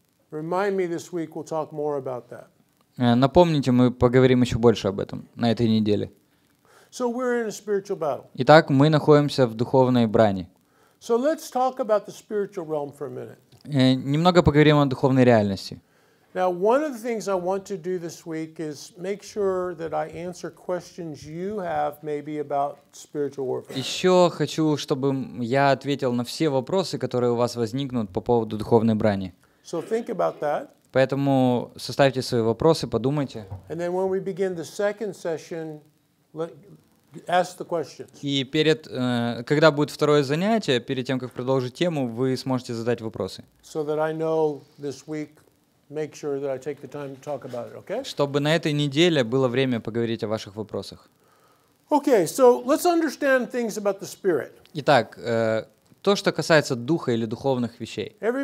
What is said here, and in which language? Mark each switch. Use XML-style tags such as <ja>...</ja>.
<en>Remind me this week, we'll talk more about that.</en> <ru>Напомните, мы поговорим еще больше об этом на этой неделе.</ru> <en>So we're in a spiritual battle.</en> <ru>Итак, мы находимся в духовной брани.</ru> <en>So let's talk about the spiritual realm for a minute.</en> <ru>Немного поговорим о духовной реальности.</ru> <en>Now, one of the things I want to do this week is make sure that I answer questions you have maybe about spiritual warfare.</en> <ru>Еще хочу, чтобы я ответил на все вопросы, которые у вас возникнут по поводу духовной брани.</ru> <en>So think about that.</en> <ru>Поэтому составьте свои вопросы, подумайте.</ru> <en>And then when we begin the second session, ask the questions.</en> <ru>И перед, когда будет второе занятие, перед тем, как продолжить тему, вы сможете задать вопросы.</ru> <en>So that I know this week, make sure that I take the time to talk about it, okay?</en> <ru>Чтобы на этой неделе было время поговорить о ваших вопросах.</ru> <en>Okay, so let's understand things about the spirit.</en> <ru>Итак, то, что касается духа или духовных вещей.</ru>